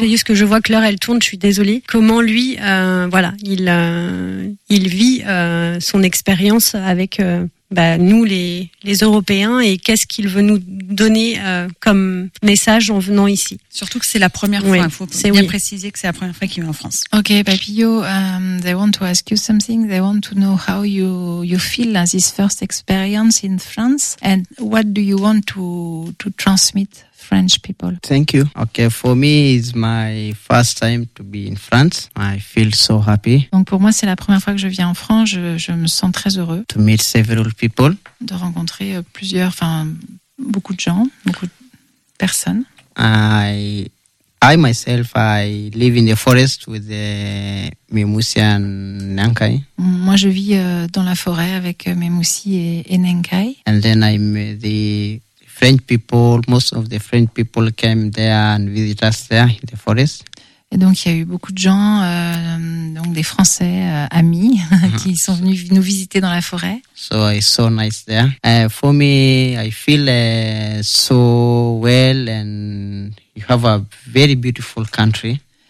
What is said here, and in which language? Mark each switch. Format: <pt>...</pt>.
<fr>parce que je vois que l'heure elle tourne, je suis désolée. Comment lui voilà, il vit son expérience avec nous les Européens, et qu'est-ce qu'il veut nous donner comme message en venant ici. Surtout que c'est la première fois, il faut bien préciser que c'est la première fois qu'il vient en France.</fr> <en>Ok, Papillo, they want to ask you something, they want to know how you feel as this first experience in France, and what do you want to transmit French people? Thank you. Okay, for me, it's my first time to be in France. I feel so happy.</en> <fr>Donc pour moi, c'est la première fois que je viens en France. Je me sens très heureux.</fr> <en>To meet several people.</en> <fr>De rencontrer plusieurs, beaucoup de gens, beaucoup de personnes.</fr> <en>I myself, I live in the forest with the Mimoussi and Nankai.</en> <fr>Moi, je vis dans la forêt avec Mimoussi et Nankai.</fr> <en>And then I met the French people, most of the French people came there and visited us there in the forest.</en> <fr>Et donc il y a eu beaucoup de gens, donc des Français amis, qui sont venus nous visiter dans la forêt.</fr> <en>So it's so nice there. For me, I feel so well, and you have a very beautiful country.</en>